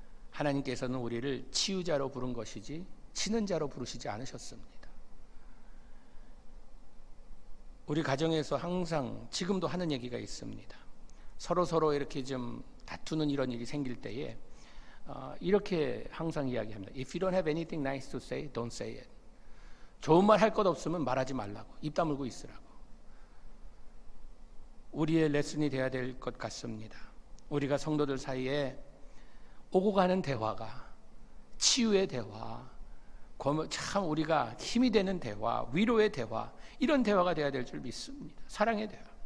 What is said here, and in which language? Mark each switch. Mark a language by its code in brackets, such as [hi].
[ko] 하나님께서는 우리를 치유자로 부른 것이지 치는 자로 부르시지 않으셨습니다. 우리 가정에서 항상 지금도 하는 얘기가 있습니다. 서로서로 이렇게 좀 다투는 이런 일이 생길 때에 이렇게 항상 이야기합니다. [en] If you don't have anything nice to say, don't say it. [ko] 좋은 말 할 것 없으면 말하지 말라고, 입 다물고 있으라고. 우리의 레슨이 되어야 될 것 같습니다. 우리가 성도들 사이에 오고 가는 대화가 치유의 대화, 참 우리가 힘이 되는 대화, 위로의 대화, 이런 대화가 돼야 될 줄 믿습니다. 사랑의 대화.